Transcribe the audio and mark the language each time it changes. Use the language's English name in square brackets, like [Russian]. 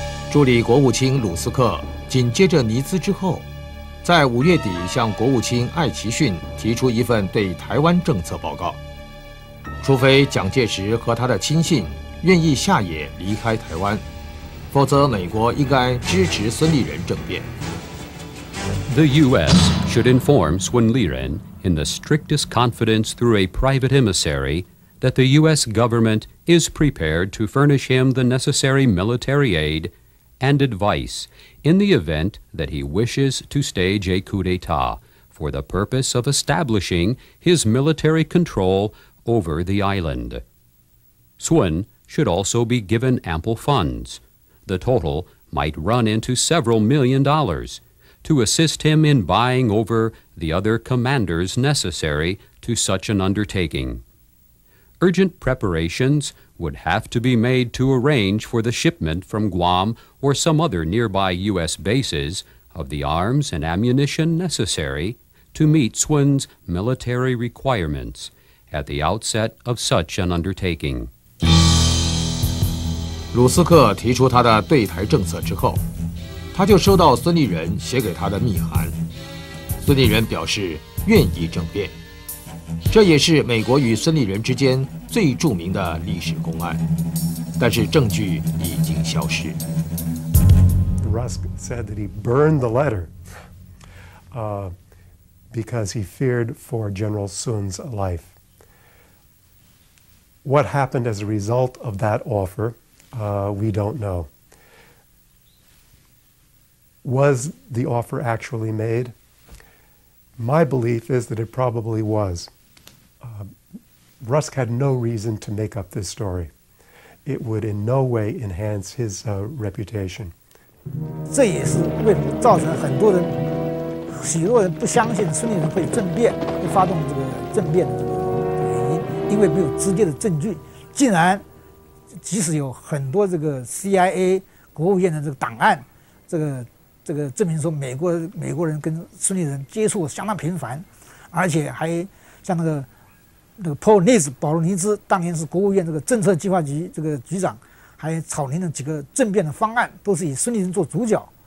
[Chinese] 助理国务卿鲁斯克紧接着尼兹之后，在五月底向国务卿艾奇逊提出一份对台湾政策报告。除非蒋介石和他的亲信愿意下野离开台湾，否则美国应该支持孙立人政变。 [English] The U.S. should inform Sun Li Ren in the strictest confidence through a private emissary that the U.S. government is prepared to furnish him the necessary military aid and advice in the event that he wishes to stage a coup d'etat for the purpose of establishing his military control over the island. Sun should also be given ample funds. The total might run into several million dollars. To assist him in buying over the other commanders necessary to such an undertaking. urgent preparations would have to be made to arrange for the shipment from Guam or some other nearby U.S. bases of the arms and ammunition necessary to meet Swin's military requirements at the outset of such an undertaking. [Chinese] 鲁斯克提出他的对台政策之后，他就收到孙立人写给他的密函。孙立人表示愿意政变，这也是美国与孙立人之间最著名的历史公案，但是证据已经消失。 [English] Rusk said that he burned the letter because he feared for General Sun's life. What happened as a result of that offer, we don't know. Was the offer actually made? My belief is that it probably was. Rusk had no reason to make up this story. It would in no way enhance his reputation. [Chinese] 这也是为了造成很多人许多人不相信孙立人会政变，会发动这个政变的这个原因，因为没有直接的证据。竟然即使有很多这个 CIA 国务院的这个档案，这个证明说美国人跟孙立人接触相当频繁，而且还像那个 Paul Nitz 保罗尼兹，当年是国务院这个政策计划局这个局长，还草拟了几个政变的方案，都是以孙立人做主角。